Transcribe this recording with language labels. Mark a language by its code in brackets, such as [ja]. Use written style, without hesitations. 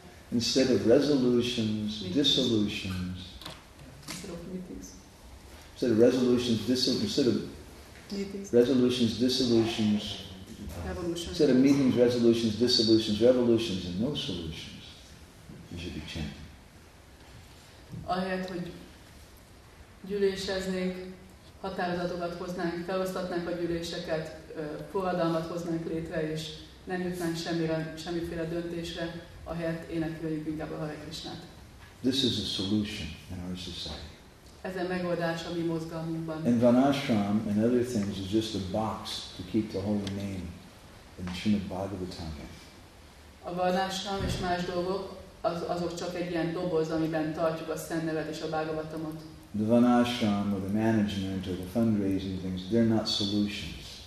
[en] Instead of resolutions, dissolutions. Instead of meetings. Instead of resolutions, instead of resolutions, dissolutions. Revolution. Instead of meetings, resolutions, dissolutions, revolutions, and no solutions, we should be chanting. [hu] Ahelyett, hogy gyűléseznék, határozatokat hoznánk, felosztatnánk a gyűléseket, fogadalmat hoznánk létre, és nem jutnánk semmiféle döntésre, ahelyett énekeljük inkább a Hare Krishnát. [en] This is a solution in our society. [hu] Ez a megoldás a mi mozgalmunkban. [en] And Vanashram and other things is just a box to keep the holy name. And you shouldn't bother with time. [hu] A Vanashram és más dolgok, azok csak egy ilyen doboz, amiben tartjuk a szent nevet és a Bhagavatamot. [en] The Vanashram or the management or the fundraising things, they're not solutions.